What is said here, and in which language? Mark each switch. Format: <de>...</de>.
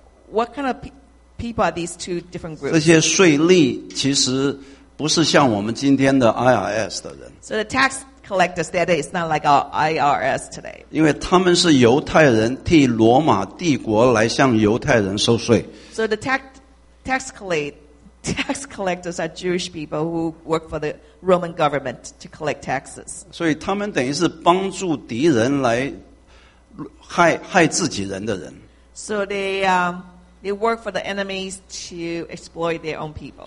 <en>What kind of people are these two different groups?</en> <zh>这些税吏其实不是像我们今天的 IRS 的人。</zh> <en>So the tax collectors that day is not like our IRS today.</en> <zh>因为他们是犹太人替罗马帝国来向犹太人收税。</zh> <en>So the tax collectors are Jewish people who work for the Roman government to collect taxes.</en> <zh>所以他们等于是帮助敌人来害自己人的人。</zh> <en>So they work for the enemies to exploit their own people.</en>